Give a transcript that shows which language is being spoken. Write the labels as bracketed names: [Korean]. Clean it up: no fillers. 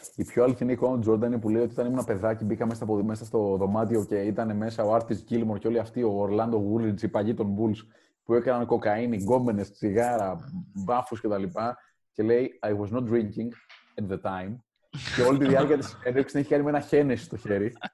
[Greek] Η πιο αληθινή εικόνα του Τζόρνταν είναι που λέει ότι όταν ήμουν παιδάκι μπήκα μέσα στο δωμάτιο και ήταν μέσα ο Άρτις Γκίλμορ και όλοι αυτοί, ο Ορλάντο Γούλιντς, οι παγιοί των Μπούλς που έκαναν κοκαίνη, γκόμενες, τσιγάρα, μπάφους κτλ. Και λέει [English] I was not drinking at the time. [Greek] Και όλη τη διάρκεια της έδειξης την έχει κάνει με ένα χένεση στο χέρι.